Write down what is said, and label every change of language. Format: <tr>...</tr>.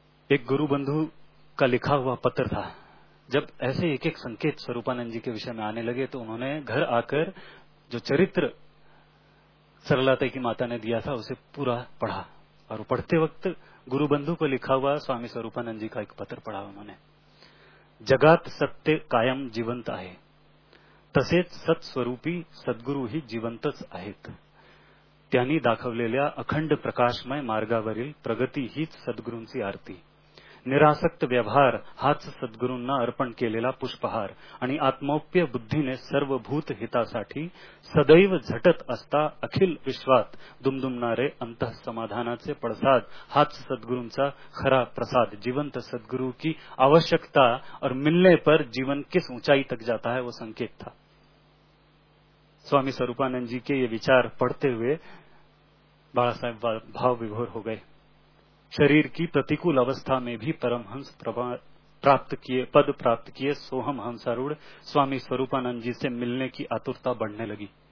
<hi>एक गुरु बंधु का लिखा हुआ पत्र था, जब ऐसे एक एक संकेत स्वरूपानंद जी के विषय में आने लगे तो उन्होंने घर आकर जो चरित्र सरलता की माता ने दिया था उसे पूरा पढ़ा, और पढ़ते वक्त गुरु बंधु को लिखा हुआ स्वामी स्वरूपानंद जी का एक पत्र पढ़ा उन्होंने।</hi> <mr>जगात सत्य कायम जीवंत आहे, तसेच सत्स्वरूपी सद्गुरु ही जीवंतच आहेत, त्यांनी दाखवलेल्या अखंड प्रकाशमय मार्गावरील प्रगती हीच सद्गुरूंची आरती, निरासक्त व्यवहार हाच सद्गुरूंना अर्पण केलेला पुष्पहार, आणि आत्मोप्य बुद्धीने सर्व भूत हितासाठी सदैव झटत असता अखिल विश्वात दुमदुमणारे अंतः समाधानाचे पडसाद हाच सद्गुरूंचा खरा प्रसाद।</mr> <hi>जिवंत सद्गुरू की आवश्यकता और मिलने पर जीवन किस ऊंचाई तक जाता है, वो संकेत था। स्वामी स्वरूपानंद जी के ये विचार पढ़ते हुए बाला साहेब भाव विभोर हो गए। शरीर की प्रतिकूल अवस्था में भी परमहंस प्राप्त किए, पद प्राप्त किए सोहम हंसारूढ़ स्वामी स्वरूपानंद जी से मिलने की आतुरता बढ़ने लगी।</hi>